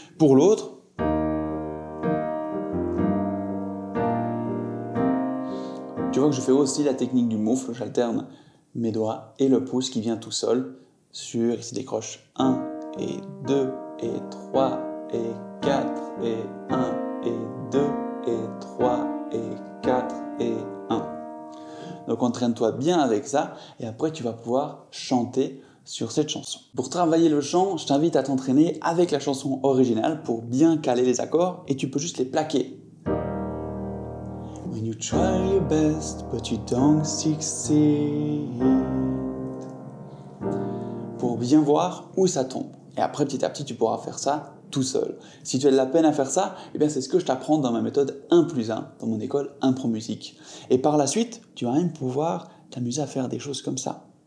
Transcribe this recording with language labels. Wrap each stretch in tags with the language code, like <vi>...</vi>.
<fr>Pour l'autre, tu vois que je fais aussi la technique du moufle, j'alterne mes doigts et le pouce qui vient tout seul sur, il se décroche 1 et 2 et 3 et 4 et 1 et 2 et 3 et 4 et 1. Donc entraîne-toi bien avec ça et après tu vas pouvoir chanter sur cette chanson. Pour travailler le chant, je t'invite à t'entraîner avec la chanson originale pour bien caler les accords et tu peux juste les plaquer.</fr> <en>When you try your best, but you don't succeed.</en> <fr>Pour bien voir où ça tombe. Et après, petit à petit, tu pourras faire ça tout seul. Si tu as de la peine à faire ça, eh bien, c'est ce que je t'apprends dans ma méthode 1 plus 1, dans mon école Impro Musique. Et par la suite, tu vas même pouvoir t'amuser à faire des choses comme ça.</fr>